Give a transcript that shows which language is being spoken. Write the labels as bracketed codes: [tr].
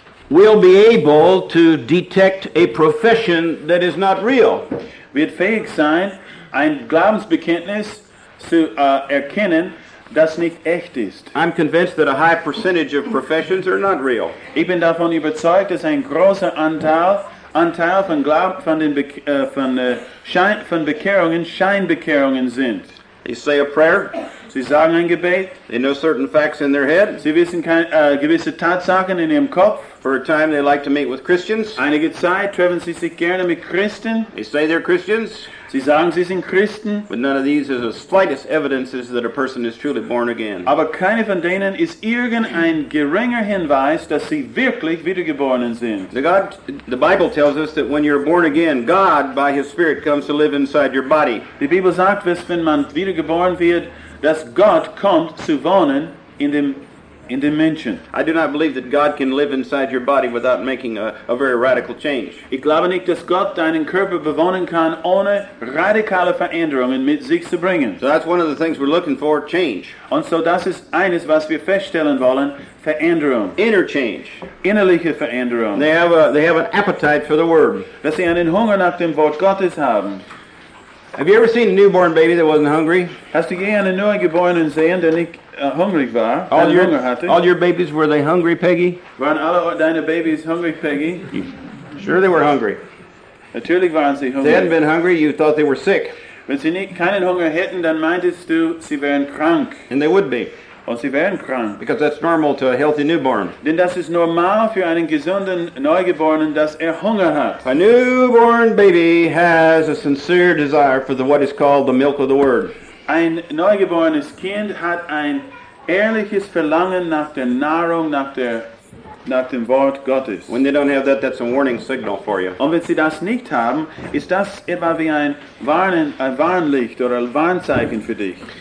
[en] will be able to detect a profession that is not real. [de] Wird fähig sein, ein Glaubensbekenntnis zu erkennen, das nicht echt ist. [en] I'm convinced that a high percentage of professions are not real. [de] Ich bin davon überzeugt, dass ein großer Anteil von Bekehrungen Scheinbekehrungen sind. [en] They say a prayer. [de] Sie sagen ein Gebet. [en] They know certain facts in their head. [de] Sie wissen gewisse Tatsachen in ihrem Kopf. [en] For a time, they like to meet with Christians. [de] Einige Zeit treffen sie sich gerne mit Christen. [en] They say they're Christians. [de] Sie sagen, sie sind Christen. [en] But none of these is the slightest evidences that a person is truly born again. [de] Aber keine von denen ist irgendein geringer Hinweis, dass sie wirklich wiedergeboren sind. [en] The Bible tells us that when you're born again, God, by His Spirit, comes to live inside your body. [de] Die Bibel sagt, dass wenn man wiedergeboren wird, dass Gott kommt zu wohnen in dem in dimension. [en] I do not believe that God can live inside your body without making a very radical change. [de] Ich glaube nicht, dass Gott deinen Körper bewohnen kann, ohne radikale Veränderungen mit sich zu bringen. [en] So that's one of the things we're looking for, change. [de] Und so das ist eines, was wir feststellen wollen, Veränderung. [en] Inner change. [de] Innerliche Veränderung. [en] They have an appetite for the Word. [de] Dass sie einen Hunger nach dem Wort Gottes haben. [en] Have you ever seen a newborn baby that wasn't hungry? [de] Hast du je einen neugeborenen sehen, der nicht hungrig war? [en] All your babies, were they hungry, Peggy? [de] Waren alle deine babies hungrig, Peggy? [en] Sure, they were hungry. [de] Natürlich waren sie hungrig. [en] If they hadn't been hungry, you thought they were sick. [de] Wenn sie keinen Hunger hätten, dann meintest du, sie wären krank. [en] And they would be. [de] Und sie wären krank. [en] Because that's normal to a healthy newborn. [de] Denn das ist normal für einen gesunden Neugeborenen, dass Hunger hat. [en] A newborn baby has a sincere desire for what is called the milk of the Word. [de] Ein neugeborenes Kind hat ein ehrliches Verlangen nach der Nahrung, nach dem Wort Gottes. [en] When they don't have that, that's a warning signal for you. [de] Und wenn sie das nicht haben, ist das etwa wie ein Warnlicht oder ein Warnzeichen für dich.